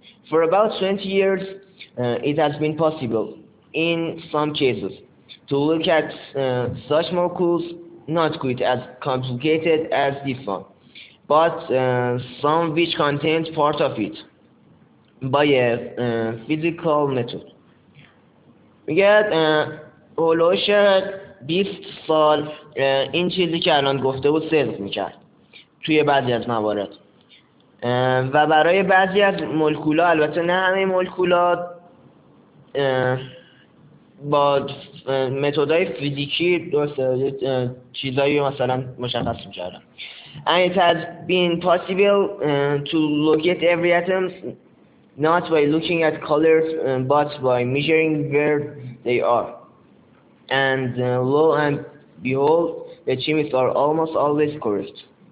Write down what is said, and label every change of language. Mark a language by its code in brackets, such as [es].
[en] For about 20 years it has been possible in some cases to look at such molecules not quite as complicated as this one but some which contains part of it by a physical method. [fa] میگه هلوش 20 سال این چیزی که الان گفته بود صدق میکرد توی بعضی از موارد و برای بعضی از مولکولا، البته نه همه مولکولا، با متدهای فیزیکی درسته چیزایی مثلا مشخص میکردن. [en] And it has been possible to locate every atom not by looking at colors but by measuring where they are. and lo and behold, the chimneys are almost always correct.